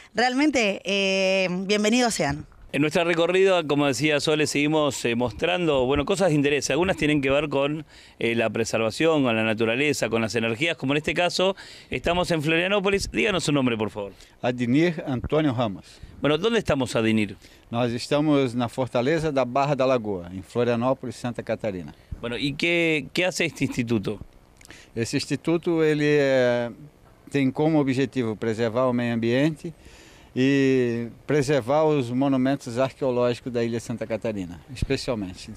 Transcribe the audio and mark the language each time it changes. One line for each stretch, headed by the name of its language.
Spanish: Realmente, bienvenidos sean. En nuestro recorrido, como decía Sole, seguimos mostrando, bueno, cosas de interés. Algunas tienen que ver con la preservación, con la naturaleza, con las energías, como en este caso, estamos en Florianópolis. Díganos su nombre, por favor. Adinir Antônio Ramos. Bueno, ¿dónde estamos, Adinir?
Portuguese: Nós estamos na Fortaleza da Barra da Lagoa, em Florianópolis, Santa Catarina.
Spanish: Bueno, ¿y qué hace este instituto?
Portuguese: Este instituto, ele tem como objetivo preservar o meio ambiente e preservar os monumentos arqueológicos da Ilha Santa Catarina, especialmente.